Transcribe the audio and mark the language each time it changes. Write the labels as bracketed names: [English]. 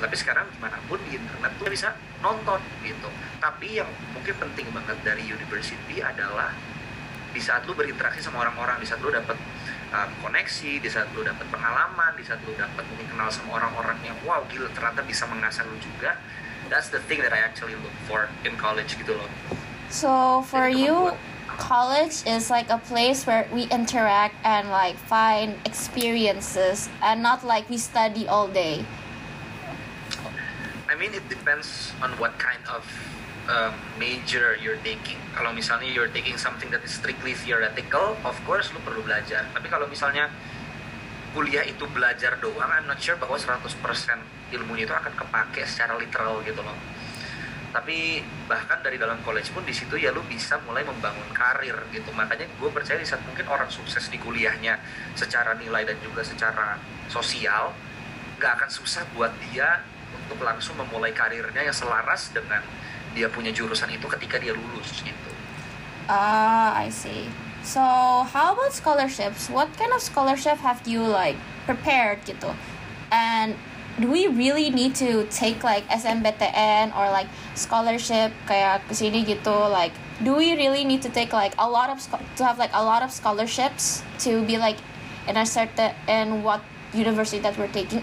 [Indonesian] Tapi sekarang dimanapun di internet tuh bisa nonton gitu. Tapi yang mungkin penting banget dari university adalah di saat lo berinteraksi sama orang-orang, di saat lo dapet koneksi, di saat lo dapet pengalaman, di saat lo dapet mungkin kenal sama orang-orang yang wow gila ternyata bisa mengasah lo juga. [English] That's the thing that I actually look for in college [Indonesian] gitu loh. [English] So for you, college is like a place where we interact and like find experiences and not like we study all day. I mean it depends on what kind of major you're taking. [Indonesian] Kalau misalnya [English] you're taking something that is strictly theoretical, of course [Indonesian] lu perlu belajar. Tapi kalau misalnya kuliah itu belajar doang, [English] I'm not sure [Indonesian] bahwa 100% ilmunya itu akan kepake secara literal gitu loh. Tapi bahkan dari dalam college pun di situ ya lu bisa mulai membangun karir gitu. Makanya gue percaya di saat mungkin orang sukses di kuliahnya secara nilai dan juga secara sosial, gak akan susah buat dia untuk langsung memulai karirnya yang selaras dengan dia punya jurusan itu ketika dia lulus gitu. [English] I see. So, how about scholarships? What kind of scholarship have you like prepared gitu? And do we really need to take like SNMPTN or like scholarship [Indonesian] kayak kesini gitu? [English] Like, do we really need to take like a lot of to have like a lot of scholarships to be like in a certain in what university that we're taking?